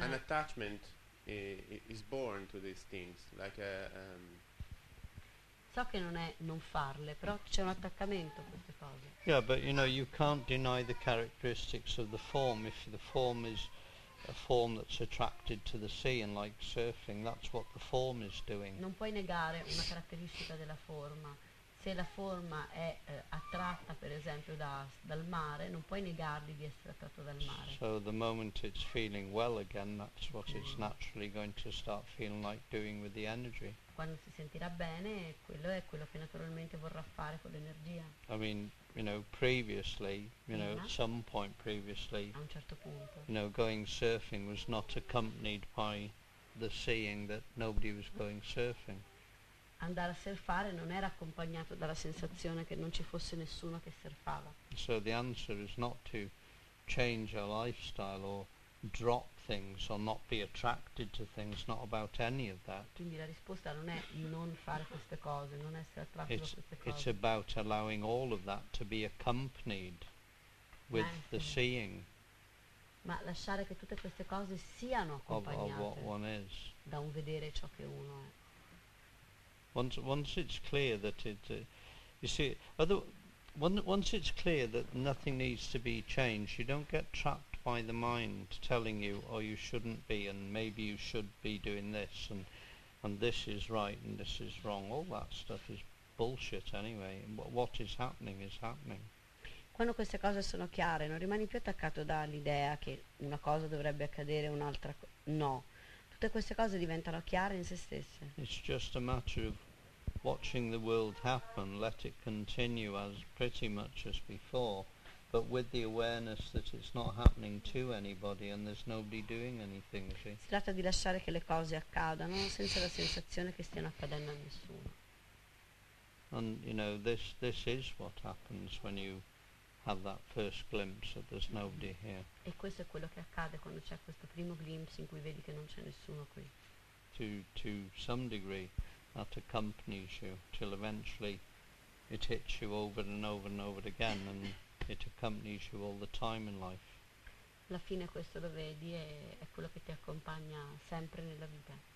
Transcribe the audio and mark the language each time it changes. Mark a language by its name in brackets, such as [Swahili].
[English] an attachment is born to these things, like a [Italian] so che non è non farle, però c'è un attaccamento a queste cose. [English] Yeah, but you know, you can't deny the characteristics of the form. If the form is a form that's attracted to the sea and like surfing, that's what the form is doing. [Italian] Non puoi negare una caratteristica della forma. se la forma è attratta, per esempio, dal mare, non puoi negargli di essere attratto dal mare. [English] So the moment it's feeling well again, that's what it's naturally going to start feeling like doing with the energy. [Italian] Quando si sentirà bene, quello è quello che naturalmente vorrà fare con l'energia. [English] I mean, you know, previously, you know, at some point previously, [Italian] a un certo punto, [English] you know, going surfing was not accompanied by the seeing that nobody was going surfing. [Italian] Andare a surfare non era accompagnato dalla sensazione che non ci fosse nessuno che surfava. [English] So the answer is not to change our lifestyle or drop things or not be attracted to things, not about any of that. [Italian] Quindi la risposta non è non fare queste cose, non essere attratto da queste cose. [English] It's about allowing all of that to be accompanied with the seeing. [Italian] Ma lasciare che tutte queste cose siano accompagnate [English] of what one is. [Italian] Da un vedere ciò che uno è. [English] Once it's clear that it, you see, once it's clear that nothing needs to be changed, you don't get trapped by the mind telling you, oh, you shouldn't be, and maybe you should be doing this, and this is right, and this is wrong. All that stuff is bullshit anyway. What is happening is happening. [Italian] Quando queste cose sono chiare, non rimani più attaccato dall'idea che una cosa dovrebbe accadere, un'altra no. Tutte queste cose diventano chiare in se stesse. [English] It's just a matter of watching the world happen, let it continue as pretty much as before, but with the awareness that it's not happening to anybody and there's nobody doing anything. [Italian] Si tratta di lasciare che le cose accadano senza la sensazione che stiano accadendo a nessuno. [English] And you know, this is what happens when you have that first glimpse that there's nobody here. [Italian] E questo è quello che accade quando c'è questo primo glimpse in cui vedi che non c'è nessuno qui. [English] To some degree that accompanies you till eventually it hits you over and over and over again and it accompanies you all the time in life. [Italian] La fine questo lo vedi e è quello che ti accompagna sempre nella vita.